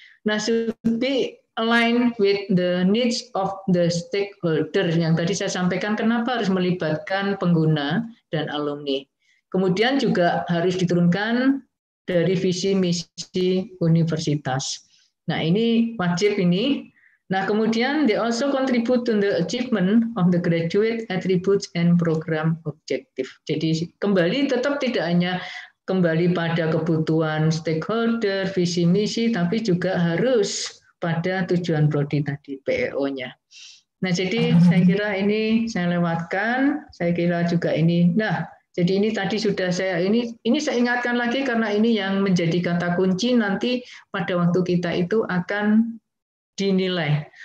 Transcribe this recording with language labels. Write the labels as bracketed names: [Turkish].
[English] Nah, should be aligned with the needs of the stakeholder. [Indonesian] Yang tadi saya sampaikan, kenapa harus melibatkan pengguna dan alumni. Kemudian juga harus diturunkan dari visi misi universitas. Nah, ini wajib ini. Nah, kemudian [English] they also contribute to the achievement of the graduate attributes and program objective. [Indonesian] Jadi kembali tetap tidak hanya kembali pada kebutuhan stakeholder, visi misi, tapi juga harus pada tujuan prodi tadi, PEO-nya. Nah, jadi saya kira ini saya lewatkan, saya kira juga ini. Nah, jadi ini tadi sudah saya ini saya ingatkan lagi karena ini yang menjadi kata kunci nanti pada waktu kita itu akan dinilai.